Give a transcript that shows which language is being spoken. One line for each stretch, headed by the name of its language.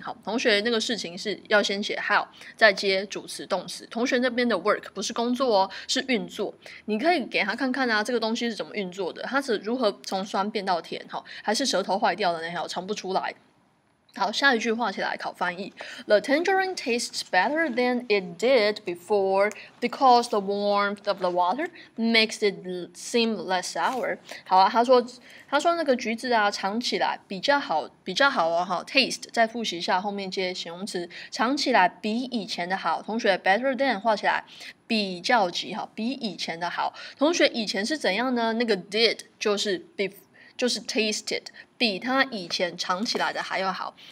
Chinese: 好，同学，那个事情是要先写 how， 再接主词。动词，同学那边的 work 不是工作哦，是运作。你可以给他看看啊，这个东西是怎么运作的，它是如何从酸变到甜，还是舌头坏掉的那条尝不出来。好，下一句话起来考翻译。
English: The tangerine tastes better than it did before because the warmth of the water makes it seem less sour.
Chinese: 好啊，他说那个橘子啊，尝起来比较好哦。 taste 再复习一下，后面接形容词，尝起来比以前的好。同学 ，better than 画起来。比较级好，比以前的好。同学，以前是怎样呢？那个 did 就是 tasted， 比他以前尝起来的还要好。